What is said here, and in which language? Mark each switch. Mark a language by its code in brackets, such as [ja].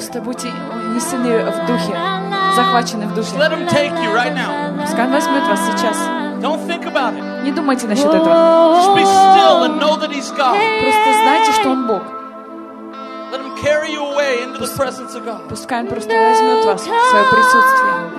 [ru] Просто будьте унесены в духе, захвачены в духе. [en] Just let them take you right now. [ru] Пускай возьмет вас сейчас. [en] Don't think about it. [ru] Не думайте насчет этого. [en] Just be still and know that He's God. [ru] Просто знайте, что Он Бог. [en] Let Him carry you away into the presence of God. [ru] Пускай Он просто возьмет вас в свое присутствие.